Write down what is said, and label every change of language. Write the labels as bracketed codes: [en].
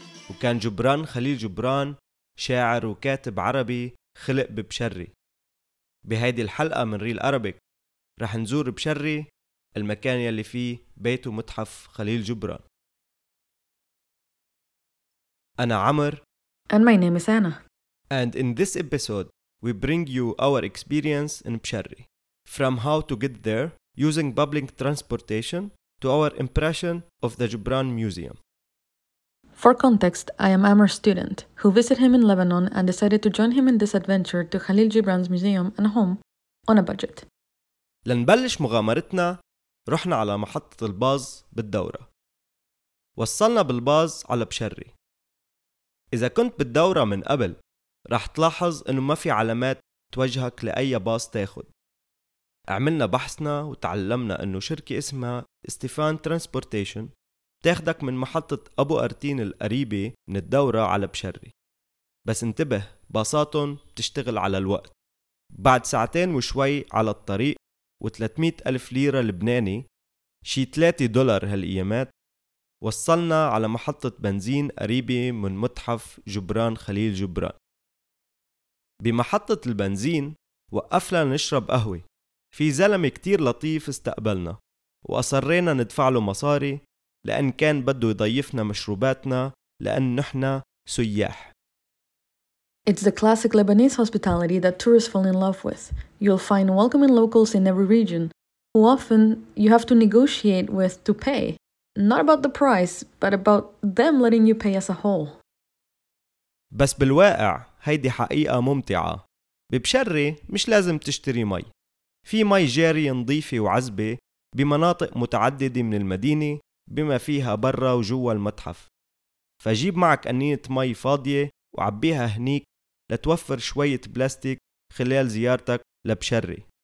[ar] وكان جبران خليل جبران شاعر وكاتب عربي خلق ببشري. بهيدي الحلقة من ريل أرابيك رح نزور بشري، المكان يلي فيه بيت ومتحف خليل جبران. أنا عمر. [en] And my name is Anna. And in this episode, we bring you our experience in Bcharre. From how to get there using public transportation to our impression of the Gibran Museum. For context, I am Amr's student who visited him in Lebanon and decided to join him in this adventure to Khalil Gibran's museum and home on a budget. [ar] لنبلش مغامرتنا، رحنا على محطة الباص بالدورة. وصلنا بالباص على بشري. إذا كنت بالدورة من قبل راح تلاحظ إنه ما في علامات توجهك لأي باص تاخد. عملنا بحثنا وتعلمنا إنه شركة اسمها استيفان ترانسبورتيشن تاخدك من محطة أبو أرتين القريبة من الدورة على بشري. بس انتبه، باصاتهم بتشتغل على الوقت. بعد ساعتين وشوي على الطريق و300 ألف ليرة لبناني، شي 3 دولار هالأيامات، وصلنا على محطة بنزين قريبة من متحف جبران خليل جبران. بمحطة البنزين وقفنا نشرب قهوة. في زلمة كتير لطيف استقبلنا وأصرينا ندفع له مصاري لأن كان بده يضيفنا مشروباتنا لأن نحنا سياح. [en] It's the classic Lebanese hospitality that tourists fall in love with. You'll find welcoming locals in every region who often you have to negotiate with to pay. Not about the price, but about them letting you pay as a whole. [ar] بس بالواقع هيدي حقيقة ممتعة. ببشري مش لازم تشتري مي. في مي جاري نظيفة وعذبة بمناطق متعددة من المدينة بما فيها برا وجوا المتحف. فجيب معك قنينة مي فاضية وعبيها هنيك لتوفر شوية بلاستيك خلال زيارتك لبشري.